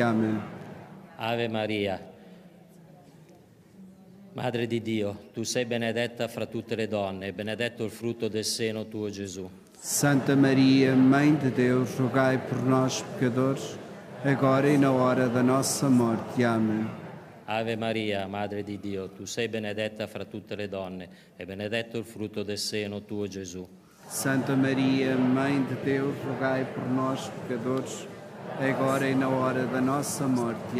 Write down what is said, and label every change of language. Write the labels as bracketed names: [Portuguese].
[Portuguese] Amém. [Italian] Ave Maria, Madre di Dio, tu sei benedetta fra tutte le donne, e benedetto il frutto del seno, tuo Gesù. [Portuguese] Santa Maria, Mãe de Deus, rogai por nós, pecadores, agora e na hora da nossa morte. Amém. [Italian] Ave Maria, Madre di Dio, tu sei benedetta fra tutte le donne, e benedetto il frutto del seno, tuo Gesù. [Portuguese] Santa Maria, Mãe de Deus, rogai por nós, pecadores, agora e na hora da nossa morte.